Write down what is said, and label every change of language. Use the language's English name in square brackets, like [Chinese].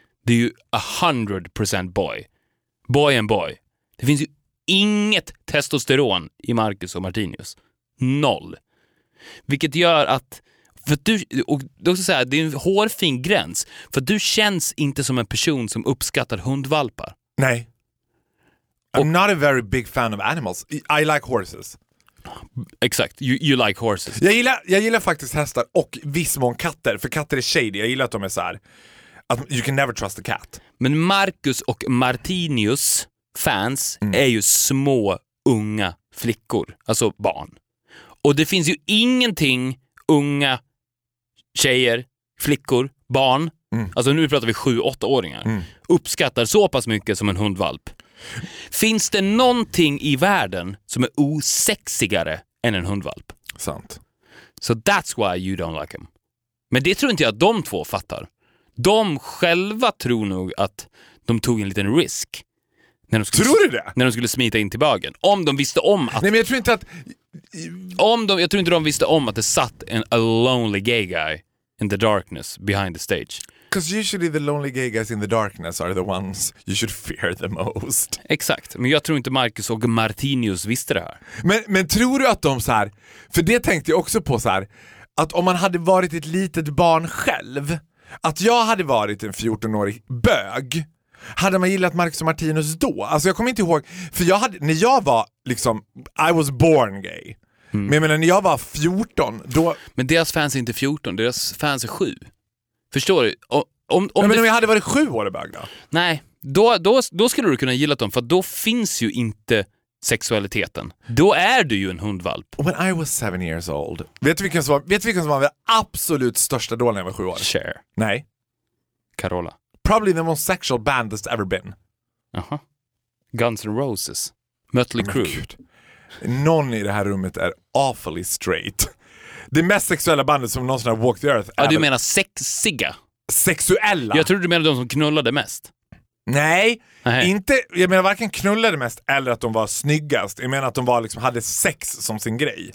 [Swedish] Det är ju 100% boy. [English] Boy and boy. [Swedish] Det finns ju inget testosteron i Marcus och Martinius. Noll. Vilket gör att... För du, och du ska säga, det är en hårfin gräns. För du känns inte som en person som uppskattar hundvalpar. Nej. [English] I'm not a very big fan of animals. I like horses. [Swedish] Exakt, [English] you like horses. [Swedish] Jag gillar faktiskt hästar och viss mån katter. För katter är shady. Jag gillar att de är så här. Att [English] you can never trust a cat. [Swedish] Men Marcus och Martinius fans är ju små, unga flickor. Alltså barn. Och det finns ju ingenting... Unga tjejer, flickor, barn. Alltså nu pratar vi 7-8-åringar. Uppskattar så pass mycket som en hundvalp. Finns det någonting i världen som är osexigare än en hundvalp? Sant. [English] So that's why you don't like him. [Swedish] Men det tror inte jag att de två fattar. De själva tror nog att de tog en liten risk. När de skulle, tror du det? När de skulle smita in till bögen. Om de visste om att... Nej, men jag tror inte att... Jag tror inte de visste om att det satt en [English] lonely gay guy in the darkness behind the stage. Because usually the lonely gay guys in the darkness are the ones you should fear the most. [Swedish] Exakt. Men jag tror inte Marcus och Martinius visste det här. Men tror du att de så här... För det tänkte jag också på så här. Att om man hade varit ett litet barn själv. Att jag hade varit en 14-årig bög. Hade man gillat Marcus och Martinus då? Alltså jag kommer inte ihåg, för jag hade, när jag var liksom, [English] I was born gay. [Swedish] Men jag menar, när jag var 14 då... Men deras fans är inte 14, deras fans är 7. Förstår du? Men om jag hade varit 7 år i bög då? Nej, då skulle du kunna gilla dem. För då finns ju inte sexualiteten. Då är du ju en hundvalp. [English] When I was 7 years old, [Swedish] vet du vilken som var den absolut största då när jag var 7 år? Cher. Nej. Carola. [English] Probably the most sexual band that's ever been. Aha. Guns N' Roses. Mötley Crüe. [Swedish] Någon i det här rummet är [English] awfully straight. [Swedish] Det mest sexuella bandet som någonsin har [English] walked the earth. [Swedish] Ja, du menar sexiga? Sexuella? Jag tror du menar de som knullade mest. Nej, uh-huh. Inte. Jag menar varken knullade mest eller att de var snyggast. Jag menar att de var liksom hade sex som sin grej.